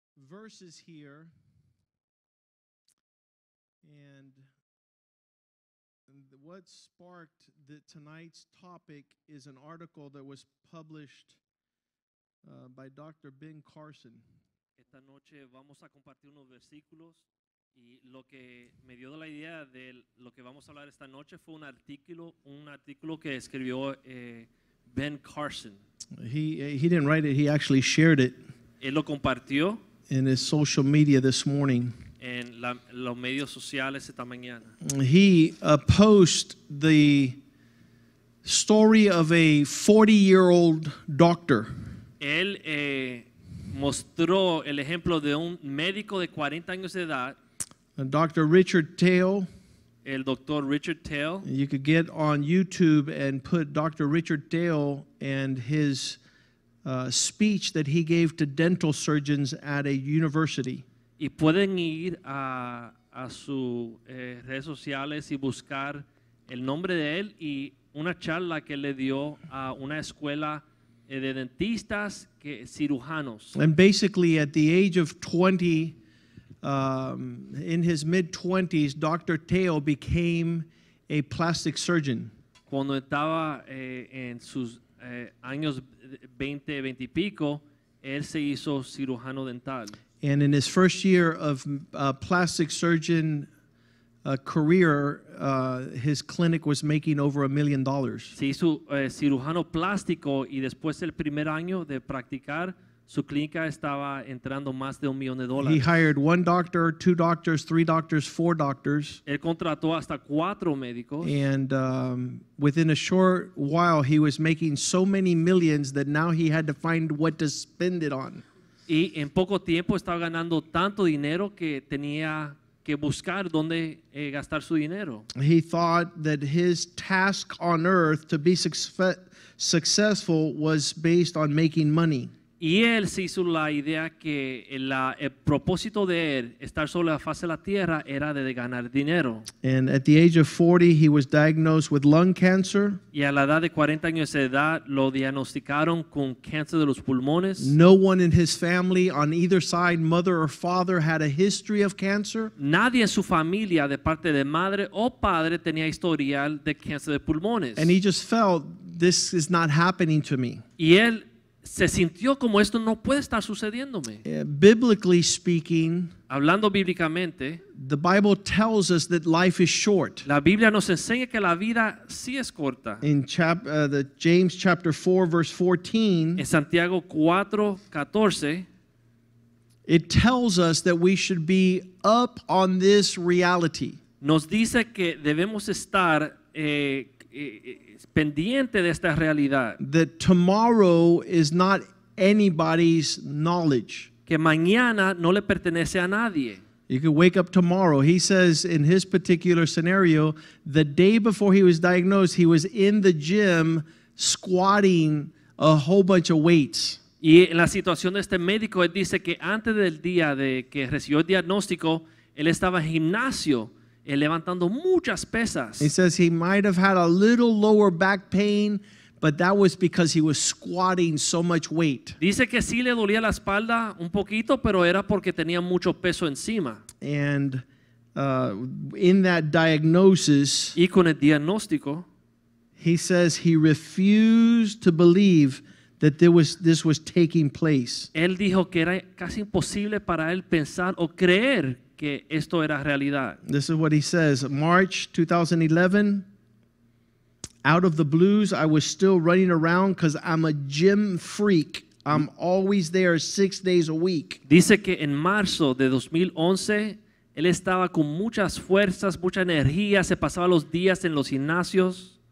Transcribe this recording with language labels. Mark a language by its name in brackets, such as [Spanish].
[English] verses here, and what sparked tonight's topic is an article that was published by Dr. Ben Carson. [Spanish] Esta noche vamos a compartir unos versículos, y lo que me dio la idea de lo que vamos a hablar esta noche fue un artículo que escribió Ben Carson. [English] He didn't write it, he actually shared it. [Spanish] Él lo compartió [English] in his social media this morning. [Spanish] En los medios sociales esta mañana. [English] He posted the story of a 40-year-old doctor. [Spanish] Él mostró el ejemplo de un médico de 40 años de edad. [English] Dr. Richard Tale. [Spanish] El Dr. Richard Tale. [English] You could get on YouTube and put Dr. Richard Tale and his speech that he gave to dental surgeons at a university. [Spanish] Y pueden ir a sus redes sociales y buscar el nombre de él y una charla que le dio a una escuela de dentistas que cirujanos. [English] And basically at the age of 20, in his mid-20s, Dr. Tao became a plastic surgeon. [Spanish] Cuando estaba en sus años 20, 20 y pico, él se hizo cirujano dental. [English] And in his first year of plastic surgeon career, his clinic was making over $1 million. [Spanish] Se hizo cirujano plástico y después el primer año de practicar, su clínica estaba entrando más de $1 million. [English] He hired one doctor, two doctors, three doctors, four doctors. [Spanish] Él contrató hasta cuatro médicos. [English] And within a short while, he was making so many millions that now he had to find what to spend it on. [Spanish] Y en poco tiempo estaba ganando tanto dinero que tenía que buscar dónde gastar su dinero. [English] He thought that his task on earth to be successful was based on making money. [Spanish] Y él se hizo la idea que el propósito de él estar sobre la faz de la tierra era de ganar dinero. [English] And at the age of 40, he was diagnosed with lung cancer. [Spanish] Y a la edad de 40 años de edad lo diagnosticaron con cáncer de los pulmones. [English] No one in his family on either side, mother or father, had a history of cancer. [Spanish] Nadie en su familia de parte de madre o padre tenía historial de cáncer de pulmones. [English] And he just felt, this is not happening to me. [Spanish] Y él se sintió como esto no puede estar sucediéndome. [English] Biblically speaking, [Spanish] hablando bíblicamente, [English] the Bible tells us that life is short. [Spanish] La Biblia nos enseña que la vida sí es corta. [English] In James chapter 4 verse 14, [Spanish] en Santiago 4:14, [English] it tells us that we should be up on this reality. [Spanish] Nos dice que debemos estar pendiente de esta realidad. [English] That tomorrow is not anybody's knowledge. [Spanish] Que mañana no le pertenece a nadie. [English] You can wake up tomorrow. He says in his particular scenario, the day before he was diagnosed, he was in the gym squatting a whole bunch of weights. [Spanish] Y en la situación de este médico, él dice que antes del día de que recibió el diagnóstico, él estaba en gimnasio levantando muchas pesas. [English] He says he might have had a little lower back pain, but that was because he was squatting so much weight. [Spanish] Dice que sí le dolía la espalda un poquito, pero era porque tenía mucho peso encima. [English] And in that diagnosis, [Spanish] y con el diagnóstico, [English] he says he refused to believe that this was taking place. [Spanish] Él dijo que era casi imposible para él pensar o creer que esto era realidad. [English] This is what he says. March 2011, out of the blues, I was still running around because I'm a gym freak. I'm always there 6 days a week. [Spanish] Dice que en marzo de 2011, él estaba con muchas fuerzas, mucha energía, se pasaba los días en los gimnasios.